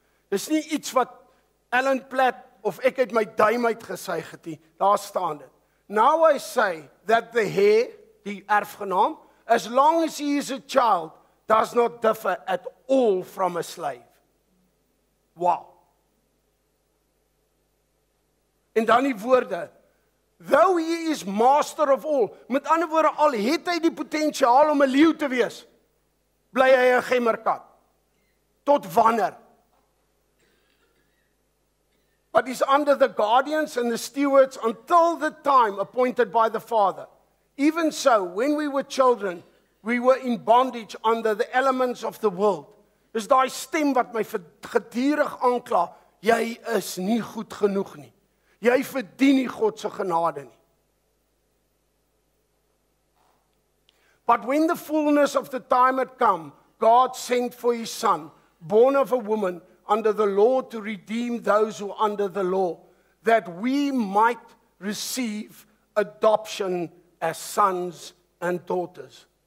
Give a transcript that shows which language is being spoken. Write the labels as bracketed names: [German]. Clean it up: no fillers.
[Afrikaans] Dis nie iets wat Ellen Platt of ek uit my duim uit gesuig het nie, daar staan dit. [English] Now I say that the heir, [Afrikaans] die erfgenaam, [English] as long as he is a child, does not differ at all from a slave. Wow. [Afrikaans] En dan die woorde, [English] though he is master of all, [Afrikaans] met ander woorde, al het hy die potentiaal om 'n leeu te wees, bly hy 'n gemmerkat. Tot wanneer? [English] But he's under the guardians and the stewards until the time appointed by the Father. Even so, when we were children, we were in bondage under the elements of the world. [Afrikaans] Dis daai stem wat my gedurig aankla, jy is nie goed genoeg nie. Jy verdien nie God se genade nie. [English] But when the fullness of the time had come, God sent for his son, born of a woman, under the law to redeem those who are under the law, that we might receive adoption as sons and daughters.